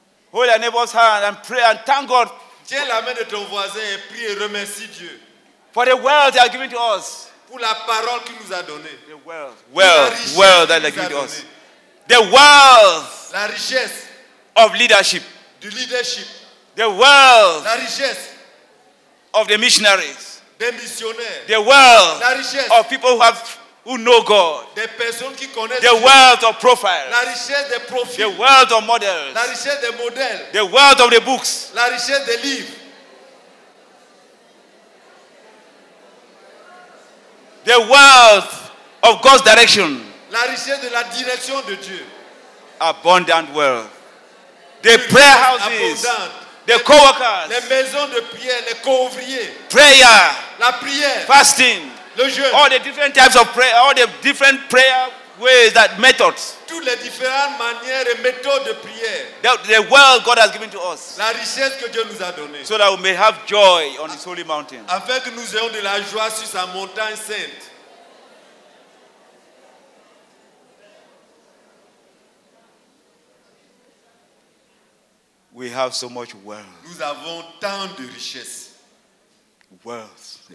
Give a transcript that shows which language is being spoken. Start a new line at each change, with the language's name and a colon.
English: Hold your neighbor's hand and pray and thank God.
French: Tiens la main de ton voisin et prie et remercie Dieu.
English: For the wealth they are giving to us.
French: Pour la parole qu'il nous a donnée.
English: The wealth that they are giving to us. The wealth,
French: la richesse,
English: of leadership,
French: du leadership,
English: the wealth,
French: la richesse,
English: of the missionaries,
French: des missionnaires,
English: the wealth,
French: la richesse,
English: of people who know God,
French: des personnes qui connaissent
English: the wealth of profiles,
French: la richesse des profils,
English: the wealth of models,
French: la richesse des modèles,
English: the wealth of the books,
French: la richesse des livres,
English: the wealth of God's direction,
French: la richesse de la direction de Dieu,
English: abundant wealth, the prayer houses, the co-workers,
French: les maisons de prière, les co-ouvriers,
English: prayer,
French: la prière,
English: fasting,
French: le jeûne,
English: all the different types of prayer, all the different prayer ways, that methods,
French: toutes les différentes manières et méthodes de prière,
English: the wealth God has given to us,
French: la richesse que Dieu nous a donnée,
English: so that we may have joy on his holy mountain,
French: afin que nous ayons de la joie sur sa montagne sainte.
English: We have so much wealth.
French: Nous avons tant de richesses.
English: Wealth.